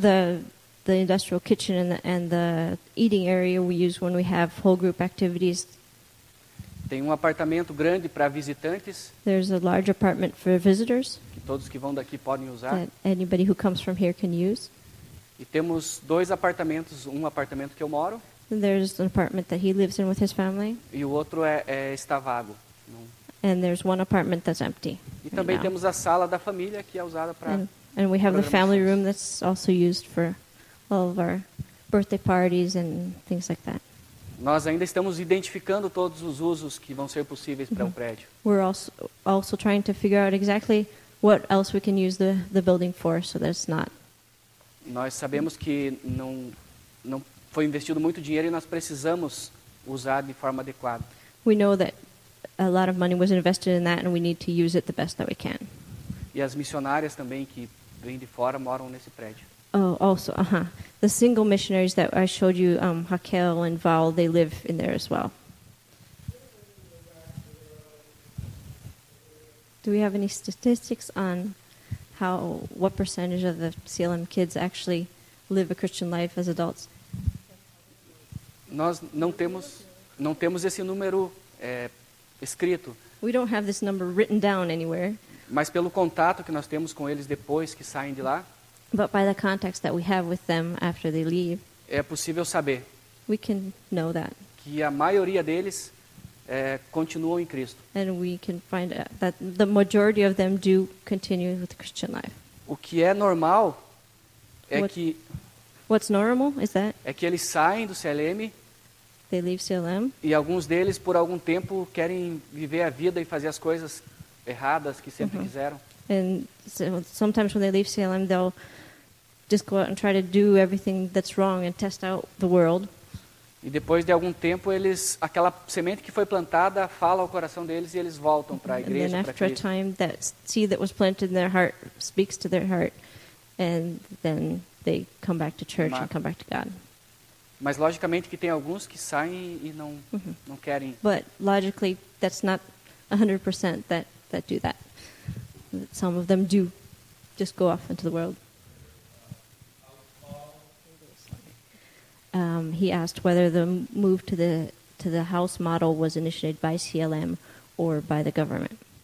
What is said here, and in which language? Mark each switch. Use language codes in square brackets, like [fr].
[en] The industrial kitchen and the eating area we use when we have whole group activities. [pt] Tem um apartamento grande para visitantes. [en] There's a large apartment for visitors. [pt] Que todos que vão daqui podem usar. [en] That anybody who comes from here can use. [pt] E temos dois apartamentos, um apartamento que eu moro. [en] And there's an apartment that he lives in with his family. [pt] E o outro é está vago. [en] And there's one apartment that's empty. E right também now. [pt] Temos a sala da família que é usada para. [en] And we have the family room that's also used for all of our birthday parties and things like that. [pt] Nós ainda estamos identificando todos os usos que vão ser possíveis para um prédio. [en] We're also trying to figure out exactly what else we can use the building for, so that it's not. [pt] Nós sabemos que não foi investido muito dinheiro e nós precisamos usar de forma adequada. [en] We know that a lot of money was invested in that and we need to use it the best that we can. [pt] E as missionárias também que vêm de fora moram nesse prédio. [en] Oh, also, The single missionaries that I showed you, Raquel and Val, they live in there as well. Do we have any statistics on what percentage of the CLM kids actually live a Christian life as adults? [pt] Nós não temos esse número escrito. [en] We don't have this number written down anywhere. [pt] Mas pelo contato que nós temos com eles depois que saem de lá. [en] But by the contacts that we have with them after they leave, [pt] é possível saber. [en] We can know that. [pt] Que a maioria deles continuam em Cristo. [en] And we can find that the majority of them do continue with the Christian life. [pt] O que é normal é que... [en] What's normal is that? [pt] É que eles saem do CLM. [en] They leave CLM. [pt] E alguns deles, por algum tempo, querem viver a vida e fazer as coisas erradas que sempre quiseram. [en] And so sometimes when they leave CLM, they'll just go out and try to do everything that's wrong and test out the world. [pt] E depois de algum tempo, eles aquela semente que foi plantada fala ao coração deles e eles voltam para a igreja, para Cristo. [en] And then after a time, that seed that was planted in their heart speaks to their heart, and then they come back to church and come back to God. [pt] Mas logicamente que tem alguns que saem e não querem. [en] But logically, that's not 100% that do that. Some of them do just go off into the world. He asked whether the move to the house model was initiated by CLM or by the government.